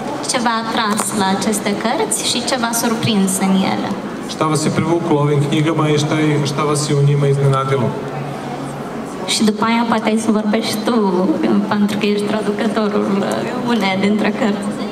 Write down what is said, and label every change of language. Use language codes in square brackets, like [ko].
[ro] Ce v-a atras la aceste cărți și ce v-a surprins în ele? [sr] Šta vas je privuklo ovim knjigama i šta vas je u njima iznenadilo? [ro] Și după aia poate ai să vorbești tu, pentru că ești traducătorul unei dintre cărți.